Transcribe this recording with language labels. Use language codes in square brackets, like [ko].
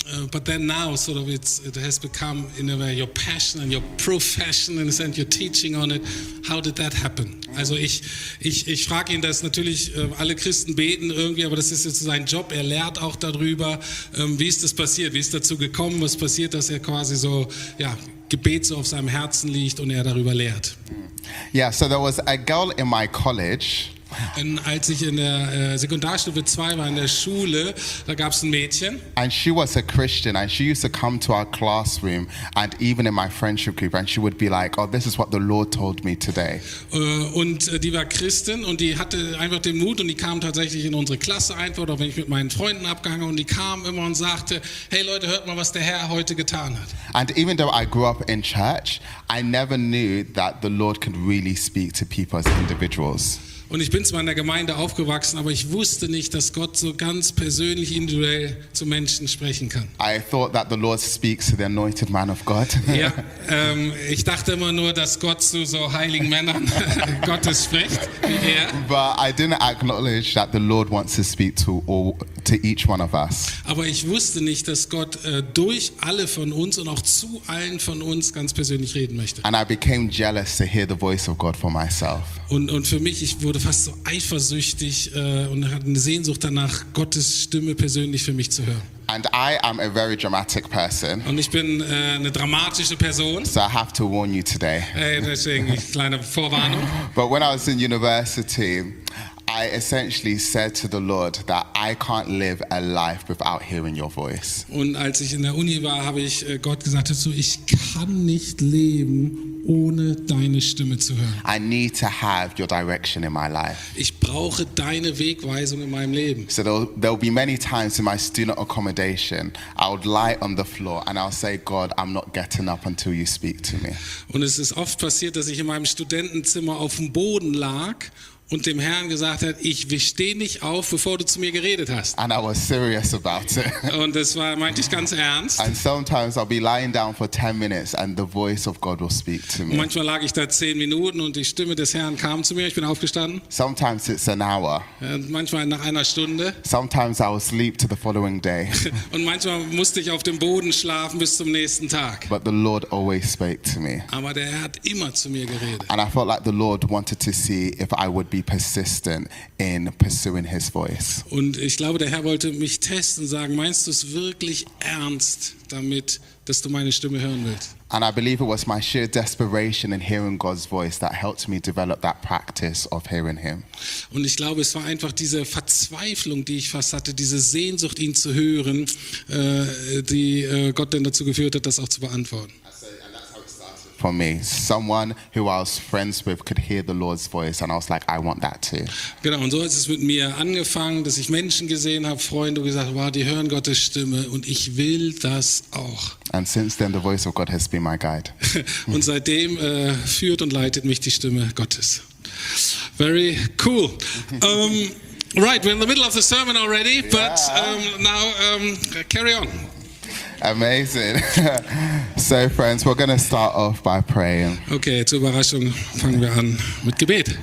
[en] But then now, sort of, it has become in a way your passion and your profession, in a sense, your teaching on it. How did that happen? [de] Also ich frage ihn das natürlich. Alle Christen beten irgendwie, aber das ist jetzt sein Job. Er lehrt auch darüber. Wie ist das passiert? Wie ist dazu gekommen? Was passiert, dass er quasi so, ja, Gebet so auf seinem Herzen liegt und er darüber lehrt? [en] Yeah, so there was a girl in my college. [de] Und als ich in der Sekundarstufe 2 war in der Schule, da gab es ein Mädchen. [en] And she was a Christian and she used to come to our classroom and even in my friendship group and she would be like, oh, this is what the Lord told me today. [de] Und die war Christin und die hatte einfach den Mut und die kam tatsächlich in unsere Klasse einfach, oder wenn ich mit meinen Freunden abgehangen und die kam immer und sagte, hey Leute, hört mal, was der Herr heute getan hat. [en] And even though I grew up in church, I never knew that the Lord could really speak to people as individuals. [de] Und ich bin zwar in der Gemeinde aufgewachsen, aber ich wusste nicht, dass Gott so ganz persönlich, individuell zu Menschen sprechen kann. [en] I thought that the Lord speaks to the anointed man of God. [de] Ja, ich dachte immer nur, dass Gott zu so heiligen Männern Gottes spricht. Ja. [en] But I didn't acknowledge that the Lord wants to speak to all, to each one of us. [de] Aber ich wusste nicht, dass Gott durch alle von uns und auch zu allen von uns ganz persönlich reden möchte. [en] And I became jealous to hear the voice of God for myself. [de] Und für mich, ich wurde fast so eifersüchtig und hatte eine Sehnsucht danach, Gottes Stimme persönlich für mich zu hören. [en] And I am a very dramatic person. [de] Und ich bin eine dramatische Person. [en] So I have to warn you today. [de] Deswegen eine kleine Vorwarnung. [en] But when I was in university, I essentially said to the Lord that I can't live a life without hearing your voice. [de] Und als ich in der Uni war, habe ich Gott gesagt dazu, ich kann nicht leben, ohne deine Stimme zu hören. [en] I need to have your direction in my life. [de] Ich brauche deine Wegweisung in meinem Leben. [en] So there'll be many times in my student accommodation, I would lie on the floor and I'll say, God, I'm not getting up until you speak to me. [de] Und es ist oft passiert, dass ich in meinem Studentenzimmer auf dem Boden lag und dem Herrn gesagt hat, ich stehe nicht auf, bevor du zu mir geredet hast. [en] And I was serious about it. [de] Und das war, meinte ich ganz ernst. [en] And sometimes I'll be lying down for 10 minutes and the voice of God will speak to me. [de] Manchmal lag ich da 10 Minuten und die Stimme des Herrn kam zu mir, ich bin aufgestanden. [en] Sometimes it's an hour. [de] Und manchmal nach einer Stunde. [en] Sometimes I will sleep to the following day. [de] Und manchmal musste ich auf dem Boden schlafen bis zum nächsten Tag. [en] But the Lord always spoke to me. [de] Aber der Herr hat immer zu mir geredet. [en] And I felt like the Lord wanted to see if I would be persistent in pursuing his voice. [de] Und ich glaube, der Herr wollte mich testen, sagen, meinst du es wirklich ernst damit, dass du meine Stimme hören willst? [en] And I believe it was my sheer desperation in hearing God's voice that helped me develop that practice of hearing him. [de] Und ich glaube, es war einfach diese Verzweiflung, die ich fast hatte, diese Sehnsucht, ihn zu hören, die Gott denn dazu geführt hat, das auch zu beantworten. [en] For me, someone who I was friends with could hear the Lord's voice, and I was like, I want that too. [de] Genau, und so ist es mit mir angefangen, dass ich Menschen gesehen habe, Freunde, und gesagt, wow, die hören Gottes Stimme, und ich will das auch. [en] And since then, the voice of God has been my guide. [de] Und seitdem führt und leitet mich die Stimme Gottes. [en] Very cool. Right, we're in the middle of the sermon already, yeah. But now carry on. Amazing. So friends, we're going to start off by praying. [de] Okay, zur Überraschung fangen wir an mit Gebet.